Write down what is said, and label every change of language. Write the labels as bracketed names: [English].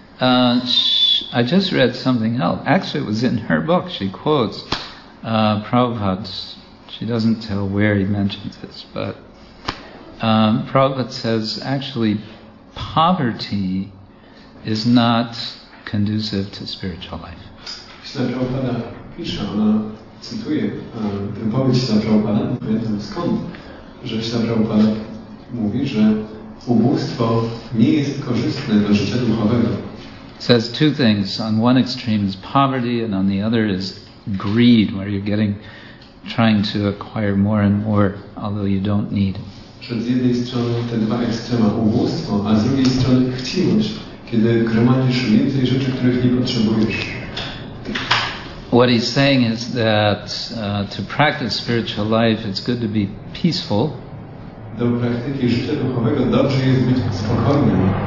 [English] I just read something else. Actually, it was in her book. She quotes Prabhupada. She doesn't tell where he mentions this, but Prabhupada says, actually, poverty is not conducive to spiritual life. [Polish] Krishna Prabhupada pisze, ona cytuje tę powieść Krishna Prabhupada, nie pamiętam skąd, że Krishna Prabhupada mówi, że ubóstwo nie jest korzystne do życia duchowego. [English] Says two things. On one extreme is poverty, and on the other is greed, where you're getting, trying to acquire more and more, although you don't need. [Polish] Że z jednej strony te dwa ekstrema, ubóstwo, a z drugiej strony chciwość, kiedy gromadzisz więcej rzeczy, których nie potrzebujesz. [English] What he's saying is that to practice spiritual life, it's good to be peaceful. [Polish] Do praktyki życia duchowego dobrze jest być spokojnym.